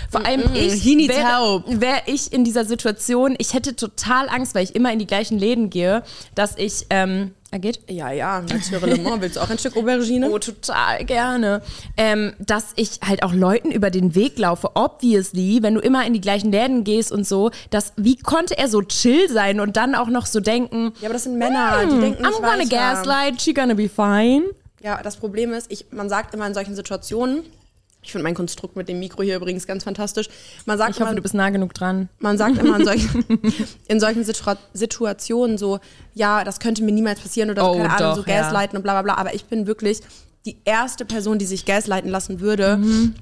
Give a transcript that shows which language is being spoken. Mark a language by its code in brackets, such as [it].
[de] Vor allem wäre ich in dieser Situation, ich hätte total Angst, weil ich immer in die gleichen Läden gehe, dass ich, geht? Ja, ja, natürlich. Willst du auch ein Stück Aubergine? Oh, total gerne. Dass ich halt auch Leuten über den Weg laufe, obviously, wenn du immer in die gleichen Läden gehst und so, dass, wie konnte er so chill sein und dann auch noch so denken, ja, aber das sind Männer, die denken nicht, [en] I'm gonna gaslight, she gonna be fine. [de] Ja, das Problem ist, man sagt immer in solchen Situationen, ich finde mein Konstrukt mit dem Mikro hier übrigens ganz fantastisch. Ich hoffe, du bist nah genug dran. Man sagt immer in solchen Situationen so, ja, das könnte mir niemals passieren oder so, keine Ahnung, so gaslighten und bla bla bla. Aber ich bin wirklich die erste Person, die sich gaslighten lassen würde. Mhm.